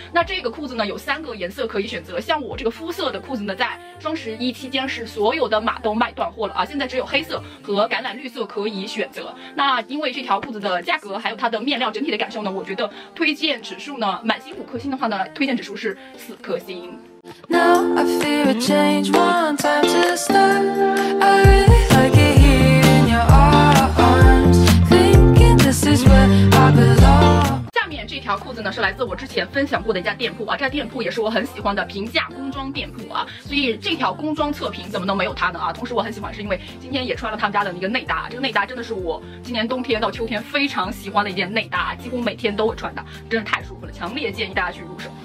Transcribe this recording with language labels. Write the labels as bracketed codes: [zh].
[zh] 那这个裤子呢有三个颜色可以选择，像我这个肤色的裤子呢在双十一期间是所有的码都卖断货了啊，现在只有黑色和橄榄绿色可以选择。那因为这条裤子的价格还有它的面料整体的感受呢，我觉得推荐指数呢满星5颗星的话呢，推荐指数是4颗星。 [en] Now I feel a change, one time to start, I really like it here in your arms, thinking this is where I belong。 [zh] 这条裤子呢是来自我之前分享过的一家店铺啊，这家店铺也是我很喜欢的平价工装店铺啊，所以这条工装测评怎么能没有它呢啊。同时我很喜欢是因为今天也穿了他们家的那个内搭，这个内搭真的是我今年冬天到秋天非常喜欢的一件内搭，几乎每天都会穿的，真的太舒服了，强烈建议大家去入手。